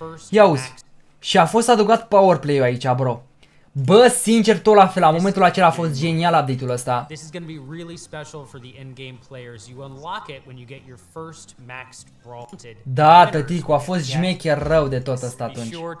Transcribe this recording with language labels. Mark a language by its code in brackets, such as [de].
[ro] Ia auzi, și a fost adăugat Power Play-ul aici, bro. Bă, sincer, tot la fel, la momentul acela a fost genial update-ul ăsta. [en] This is going to be really special for the in-game players. You unlock it when you get your first maxed vaulted. [ro] Da, tăticu, a fost șmecher rău de tot ăsta atunci.